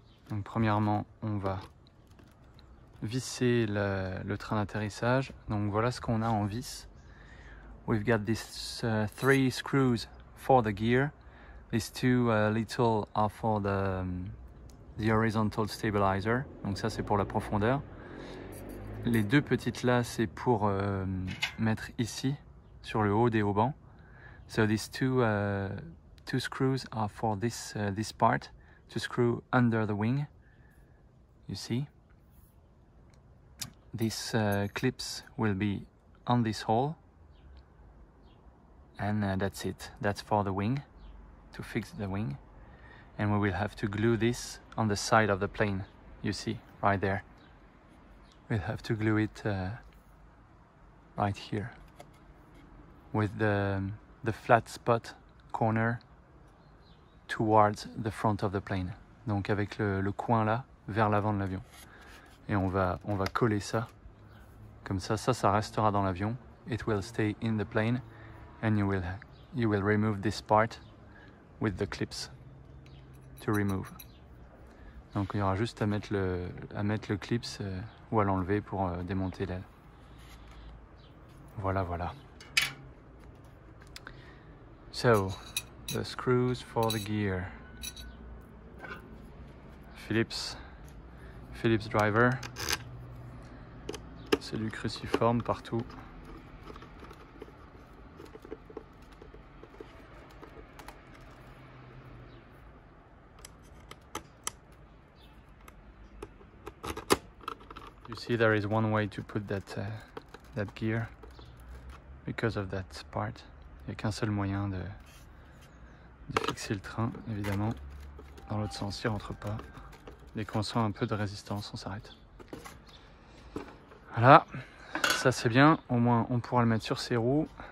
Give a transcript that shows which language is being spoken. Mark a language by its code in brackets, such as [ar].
[fr] Donc premièrement, on va visser le train d'atterrissage. Donc voilà ce qu'on a en vis. [en] We've got these three screws for the gear. These two little are for the horizontal stabilizer. [fr] Donc ça c'est pour la profondeur. Les deux petites là, c'est pour mettre ici. Sur le haut des haubans. [en] So these two screws are for this part to screw under the wing. You see? These clips will be on this hole. And that's it. That's for the wing, to fix the wing. And we will have to glue this on the side of the plane. You see, right there. We'll have to glue it right here. With the flat spot corner towards the front of the plane. [fr] Donc avec le coin là, vers l'avant de l'avion. Et on va coller ça. Comme ça, ça restera dans l'avion. [en] It will stay in the plane. And you will remove this part with the clips to remove. [fr] Donc il y aura juste à mettre le clips ou à l'enlever pour démonter l'aile. Voilà, voilà. [en] So, the screws for the gear. Philips driver. [fr] C'est du cruciforme partout. [en] You see, there is one way to put that that gear because of that part. [fr] Il n'y a qu'un seul moyen de fixer le train, évidemment. Dans l'autre sens, il ne rentre pas. Dès qu'on sent un peu de résistance, on s'arrête. Voilà, ça c'est bien. Au moins, on pourra le mettre sur ses roues.